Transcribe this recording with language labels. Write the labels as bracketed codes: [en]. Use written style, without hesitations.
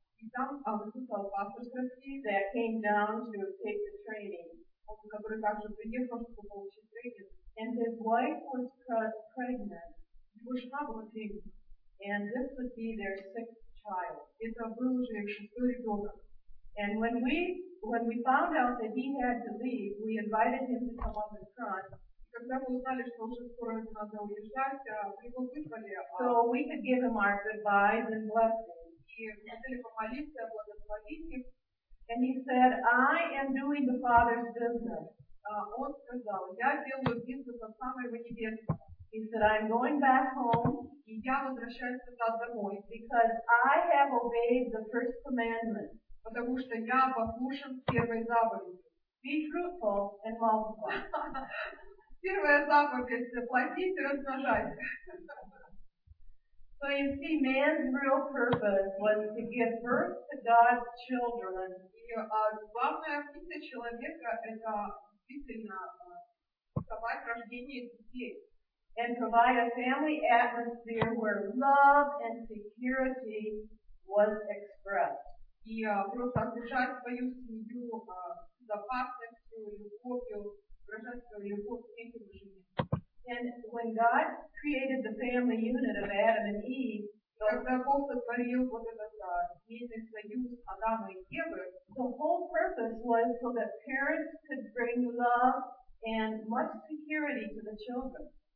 [ru] и там выступал пастор с России, [en] that came down to take the training, [ru] который также приехал, чтобы получить тренинг. [en] And his wife was pregnant. [ru] Его жена была беременна. [en] And this would be their sixth child. [ru] Это был уже их шестой ребенок. [en] And when we found out that he had to leave, we invited him to come up in front. [ru] Когда мы узнали, что уже скоро ему надо уезжать, мы его вызвали. [en] So we could give him our goodbyes and blessings. [ru] И мы хотели помолиться, благословить их. [en] And he said, I am doing the Father's business. [ru] Он сказал, я делаю бизнес от самого небесного. [en] He said, I'm going back home. [ru] И я возвращаюсь назад домой. [en] Because I have obeyed the first commandment. [ru] Потому что я послушен первой заповеди. [en] Be fruitful and multiply. [ru] Первая заповедь, плодись и размножайся. [en] So you see, man's real purpose was to give birth to God's children. [ru] И главная миссия человека — это действительно давать рождение детей. [en] And provide a family atmosphere where love and security was expressed. [ru] И просто окружать свою семью безопасностью, любовью, гражданскую любовь к этим жизням. [en] And when God created the family unit of Adam and Eve, the whole purpose was so that parents could bring love and much security to the children.